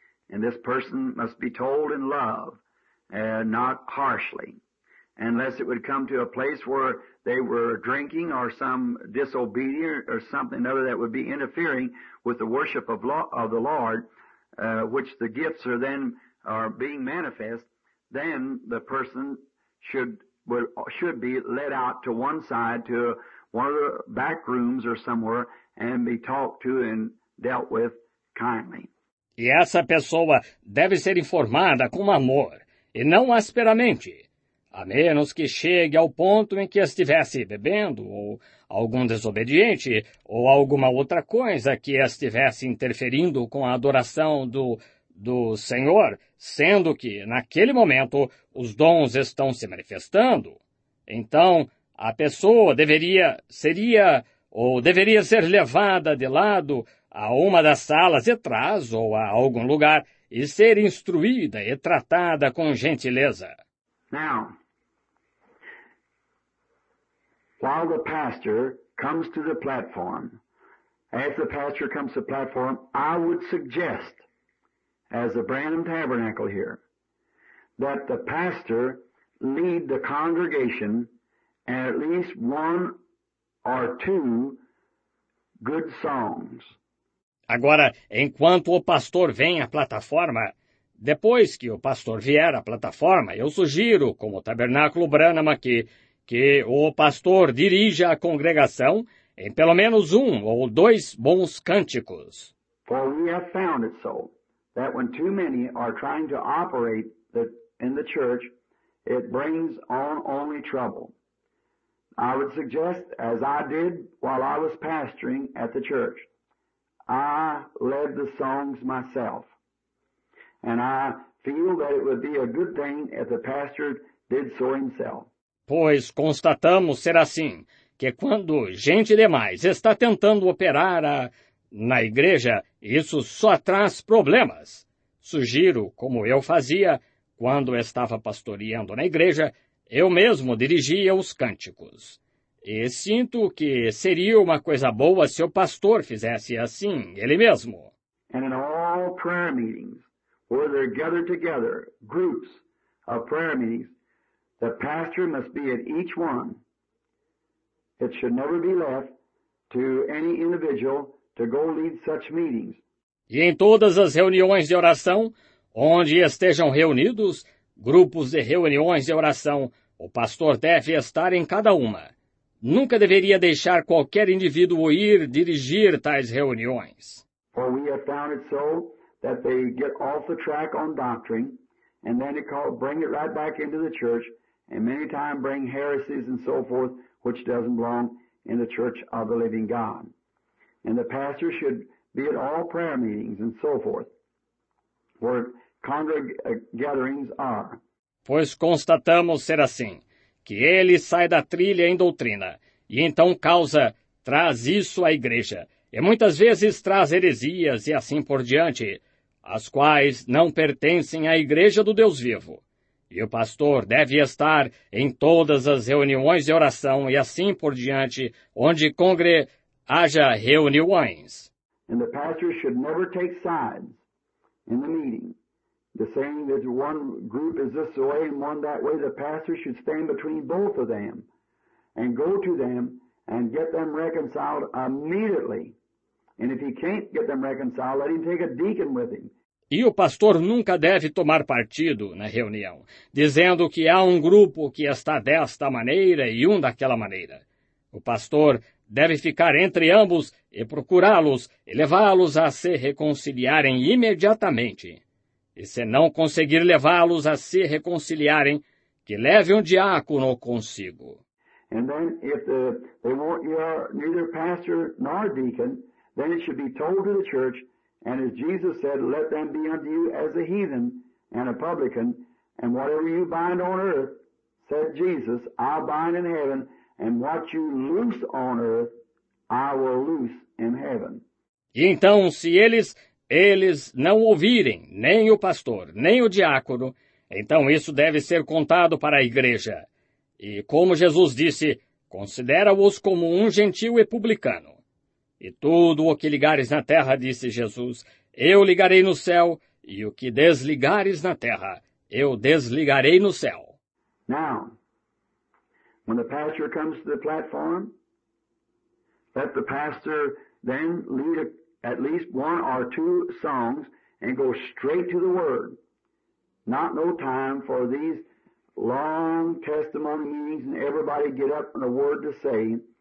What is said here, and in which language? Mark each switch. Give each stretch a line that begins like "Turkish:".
English: And this person must be told in love, not harshly, unless it would come to a place where they were drinking or some disobedient or something other that would be interfering with the worship of the Lord. Which the gifts are then are being manifest, then the person should be led out to one side, to one of the back rooms or somewhere, and be talked to and dealt with kindly.
Portuguese: E essa pessoa deve ser informada com amor, e não asperamente, a menos que chegue ao ponto em que estivesse bebendo, ou algum desobediente, ou alguma outra coisa que estivesse interferindo com a adoração do Senhor, sendo que, naquele momento, os dons estão se manifestando. Então, a pessoa deveria ser levada de lado a uma das salas de trás ou a algum lugar e ser instruída e tratada com gentileza.
English: Now, while the pastor comes to the platform, as the pastor comes to the platform, I would suggest, as the Branham Tabernacle here, that the pastor lead the congregation and at least one or two good songs.
Portuguese: Agora, enquanto o pastor vem à plataforma, depois que o pastor vier à plataforma, eu sugiro, como o Tabernáculo Branham aqui, que o pastor dirija a congregação em pelo menos um ou dois bons cânticos.
English: For we have found it so, that when too many are trying to operate in the church, it brings on only trouble. I would suggest, as I did while I was pastoring at the church, I led the songs myself. And I feel that it would be a good thing if the pastor did so himself.
Portuguese: Pois constatamos ser assim, que quando gente demais está tentando operar na igreja, isso só traz problemas. Sugiro, como eu fazia, quando estava pastoreando na igreja, eu mesmo dirigia os cânticos. E sinto que seria uma coisa boa se o pastor fizesse assim, ele mesmo.
English: And in all prayer meetings, where they're gathered together, groups of prayer meetings, the pastor must be at each one. It should never be left to any individual to go lead such meetings.
Portuguese: E em todas as reuniões de oração, onde estejam reunidos, grupos de reuniões de oração, o pastor deve estar em cada uma. Nunca deveria deixar qualquer indivíduo ir dirigir tais reuniões.
English: For we have found it so that they get off the track on doctrine and then they call, bring it right back into the church and many times bring heresies and so forth which doesn't belong in the church of the living God. And the pastor should be at all prayer meetings and so forth where gatherings are.
Portuguese: Pois constatamos ser assim, que ele sai da trilha em doutrina, e então traz isso à igreja, e muitas vezes traz heresias e assim por diante, as quais não pertencem à igreja do Deus vivo. E o pastor deve estar em todas as reuniões de oração e assim por diante, onde haja reuniões.
English: And the pastor should never take sides in the meeting. The saying that one group is this way and one that way, the pastor should stand between both of them and go to them and get them reconciled immediately. And if he can't get them reconciled, let him take a deacon with him.
Portuguese: E o pastor nunca deve tomar partido na reunião, dizendo que há um grupo que está desta maneira e um daquela maneira. O pastor deve ficar entre ambos e procurá-los e levá-los a se reconciliarem imediatamente. E se não conseguir levá-los a se reconciliarem, que leve um diácono consigo.
English: And then if they want neither pastor nor deacon, then it should be told to the church, and as Jesus said, let them be unto you as a heathen and a publican, and whatever you bind on earth, said Jesus, I bind in heaven, and what you loose on earth, I will loose in heaven.
Portuguese: E então, se eles não ouvirem nem o pastor, nem o diácono, então isso deve ser contado para a igreja. E como Jesus disse, considera-os como um gentil e publicano. E tudo o que ligares na terra, disse Jesus, eu ligarei no céu, e o que desligares na terra, eu desligarei no céu.
English: Now, when the pastor comes to the platform, let the pastor then lead at least one or two songs, and go straight to the Word. Not no time for these long testimony meetings and everybody get up and a word to say.